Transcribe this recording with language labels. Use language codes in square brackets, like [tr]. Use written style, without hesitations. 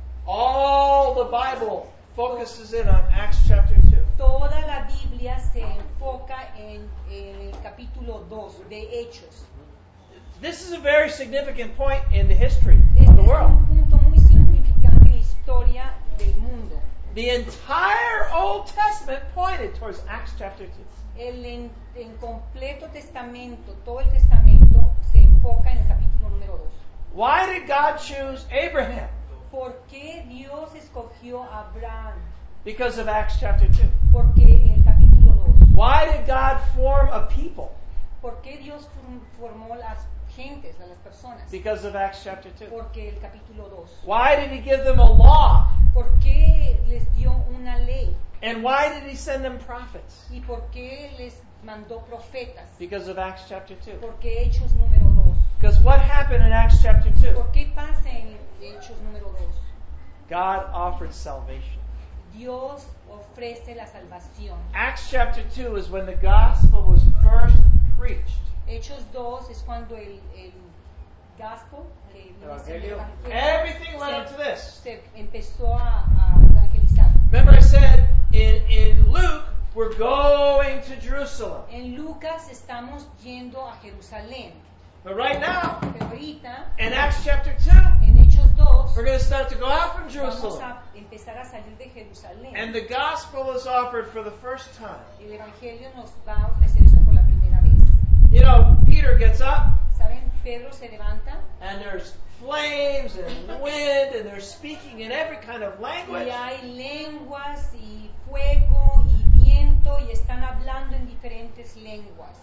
[en] All the Bible focuses in on Acts chapter 2. [es] Toda la Biblia se enfoca en el capítulo 2 de Hechos. [en] This is a very significant point in the history of the world. [es] Este es un punto muy significante en la historia del mundo. [en] The entire Old Testament pointed towards Acts chapter 2. [es] El completo testamento, todo el testamento se enfoca en el capítulo número 2. [en] Why did God choose Abraham? [es] ¿Por qué Dios escogió a Abraham? [en] Because of Acts chapter 2. [es] Porque en el capítulo 2. [en] Why did God form a people? [es] ¿Por qué Dios formó las gentes, las personas? [en] Because of Acts chapter 2. [es] Porque el capítulo 2. [en] Why did he give them a law? [es] ¿Por qué les dio una ley? [en] And why did he send them prophets? [es] ¿Y por qué les mandó profetas? [en] Because of Acts chapter 2. [es] Porque Hechos número 2. [en] Because what happened in Acts chapter 2? [es] ¿Por qué pasa en Hechos número 2? [en] God offered salvation. [es] Dios ofrece la salvación. [en] Acts chapter 2 is when the gospel was first preached. [es] Hechos 2 es cuando el gospel, [en] everything led up to this. [es] Se empezó a evangelizar. [en] Remember I said, in Luke, we're going to Jerusalem. [es] En Lucas estamos yendo a Jerusalén. [en] But right now, [es] ahorita, [en] in Acts chapter 2, [es] en Hechos 2, [en] we're going to start to go out from Jerusalem. [es] Vamos a empezar a salir de Jerusalén. [en] And the gospel is offered for the first time. [es] El evangelio nos va a ofrecer esto por la primera vez. [en] You know, Peter gets up. [es] ¿Saben? Pedro se levanta. [en] And there's flames and wind and they're speaking in every kind of language. [es] Y hay lenguas y fuego y viento y están hablando en diferentes lenguas.